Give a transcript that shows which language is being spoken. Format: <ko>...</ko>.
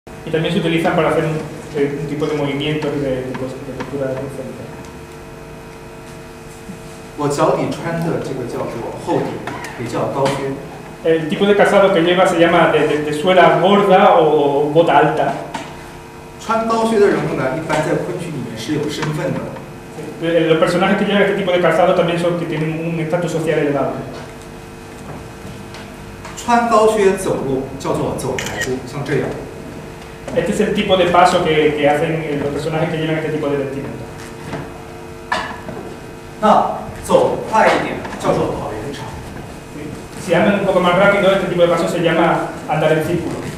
<es>también se utiliza para hacer un tipo de movimientos de estructura de diferente.</es> <zh>我脚底穿的这个叫做厚底，比较高靴。</zh> <es>El tipo de calzado que lleva se llama de suela gorda o bota alta.</es> <zh>穿高靴的人物呢，一般在昆曲里面是有身份的。</zh> <es>Los personajes que llevan este tipo de calzado también son que tienen un estatus social elevado.</es> <zh>穿高靴走路叫做走台步，像这样。</zh> <es>Este es el tipo de paso que hacen los personajes que llevan este tipo de vestimenta.</es> <zh>走快一点叫做跑圆场。</zh> <es>Si andan un poco más rápido, este tipo de paso se llama andar en círculo.</es>